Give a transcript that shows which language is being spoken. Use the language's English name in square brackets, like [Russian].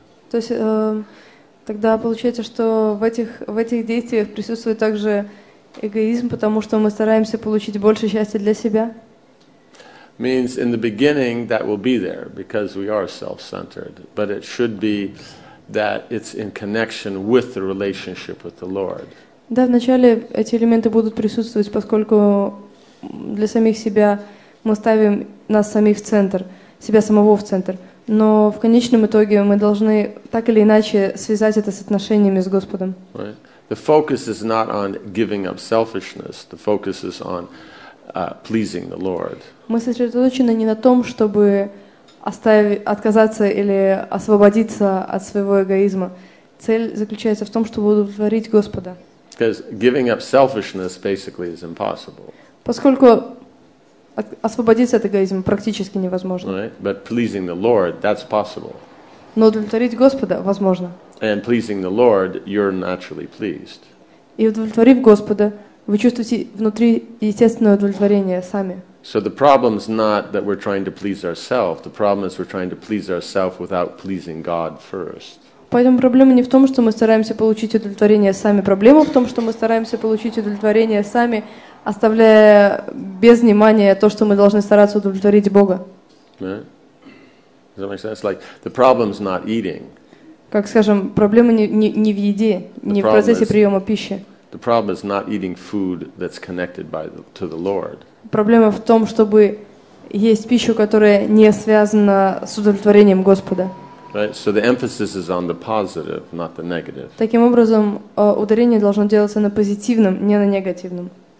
[Russian] То есть тогда получается, что в этих действиях присутствует также эгоизм, потому что мы стараемся получить больше счастья для себя. [English] Means in the beginning that will be there because we are self-centered, but it should be that it's in connection with the relationship with the Lord. [Russian] Да, вначале эти элементы будут присутствовать, поскольку для самих себя мы ставим нас самих в центр, себя самого в центр. Но в конечном итоге мы должны так или иначе связать это с отношениями с Господом. [English] The focus is not on giving up selfishness. The focus is on pleasing the Lord. [Russian] Мы сосредоточены не на том, чтобы отказаться или освободиться от своего эгоизма. Цель заключается в том, чтобы удовлетворить Господа. [English] Because giving up selfishness basically is impossible. [Russian] Поскольку освободиться от эгоизма практически невозможно. [English] Right? But pleasing the Lord, that's possible. [Russian] Но удовлетворить Господа возможно. [English] And pleasing the Lord, you're naturally pleased. [Russian] И удовлетворив Господа, вы чувствуете внутри естественное удовлетворение сами. [English] So the problem's not that we're trying to please ourselves. The problem is we're trying to please ourselves without pleasing God first. [Russian] Поэтому проблема не в том, что мы стараемся получить удовлетворение сами. Проблема в том, что мы стараемся получить удовлетворение сами, оставляя без внимания то, что мы должны стараться удовлетворить Бога. [English] Does that make sense? Like, the problem's not eating. [Russian] Как скажем, проблема не в еде, не в процессе приема пищи. [English] The problem is not eating food that's connected by to the Lord. [Russian] Проблема в том, чтобы есть пищу, которая не связана с удовлетворением Господа. [English] Right? So the emphasis is on the positive, not the negative. [Russian] Таким образом, ударение должно делаться на позитивном, не на негативном.